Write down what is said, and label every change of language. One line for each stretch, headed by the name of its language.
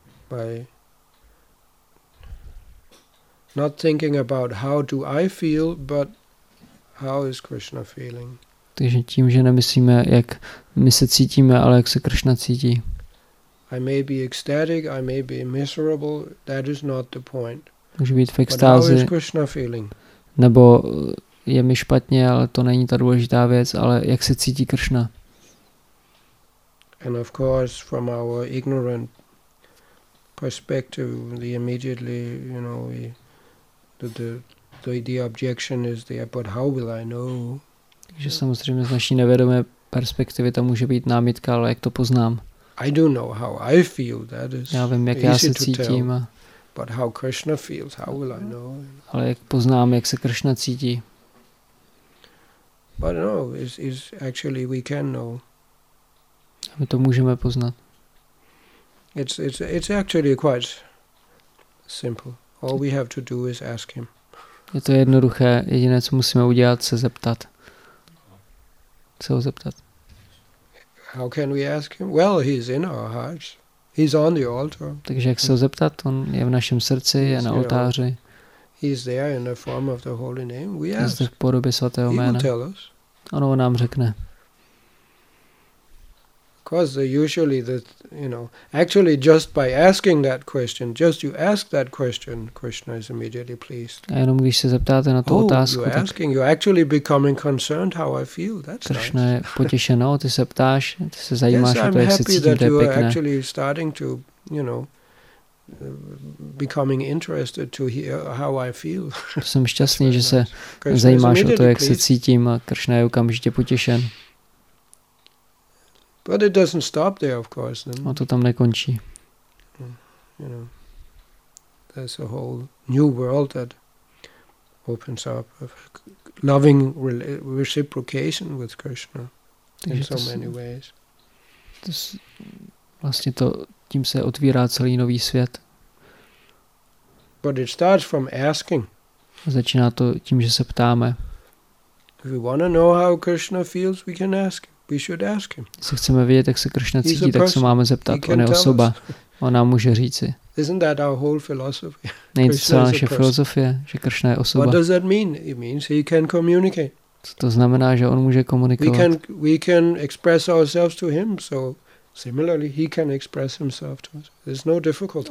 English: By not thinking about how do I feel, but how is Krishna feeling.
Czech: Takže tím, že nemyslíme, jak my se cítíme, ale jak se Kršna cítí.
English: I may be ecstatic, I may be miserable, that is not the point.
Czech: Může být v extázi.
English: But how is Krishna feeling?
Czech: Nebo je mi špatně, ale to není ta důležitá věc, ale jak se cítí Kršna.
English: And of course from our ignorant perspective we immediately, you know, the objection is there, but how will I know?
Czech: Takže samozřejmě z naší nevědomé perspektivy tam může být námitka, ale jak to poznám?
English: I do know how I feel, that is.
Czech: Já vím, jak já se cítím.
English: But how Krishna feels, how will I know?
Czech: Ale jak poznám, jak se Krishna cítí?
English: But no, is actually we can know.
Czech: A my to můžeme poznat.
English: It's actually quite simple. All we have to do is ask him.
Czech: Je to jednoduché, jediné, co musíme udělat, se zeptat. Se ho zeptat.
English: How can we ask him? Well, he's in our hearts. He's on the altar.
Czech: Takže jak se ho zeptat? On je v našem srdci, je na oltáři.
English: He's there in the form of the holy name. We ask.
Czech: Zde v podobě svatého jména.
English: He will tell us.
Czech: Ono nám řekne.
English: Because usually actually just by asking that question, just you ask that question, Krishna is immediately pleased.
Czech: A jenom když se zeptáte na tu otázku,
English: you're asking, you're actually becoming concerned how I feel. That's Krishna nice.
Czech: Je potěšeno, ty se ptáš, ty se zajímáš
English: yes,
Czech: o to, jak se cítím, to je pěkné.
English: Yes, I'm happy that you are actually starting to, you know, becoming interested to hear how I feel.
Czech: Jsem šťastný, že se
English: nice.
Czech: Zajímáš o to, jak se cítím, a Krishna je okamžitě potěšen.
English: But it doesn't stop there, of course. Then.
Czech: A to tam nekončí.
English: You know, there's a whole new world that opens up of loving reciprocation with Krishna.
Czech: Takže
English: in so many ways.
Czech: Vlastně to tím se otvírá celý nový svět.
English: But it starts from asking.
Czech: Začíná to tím, že se ptáme.
English: If we want to know how Krishna feels, we can ask. We should ask him.
Czech: Jestli chceme vědět, jak se Krishna cítí, tak se máme zeptat. On je osoba. On nám může říci.
English: Isn't that our whole philosophy?
Czech: Není to celá naše filozofie, že Krishna je osoba.
English: What does that mean? It means he can communicate.
Czech: Co to znamená, že on může komunikovat?
English: We can express ourselves to him, so similarly he can express himself to us. There's no difficulty.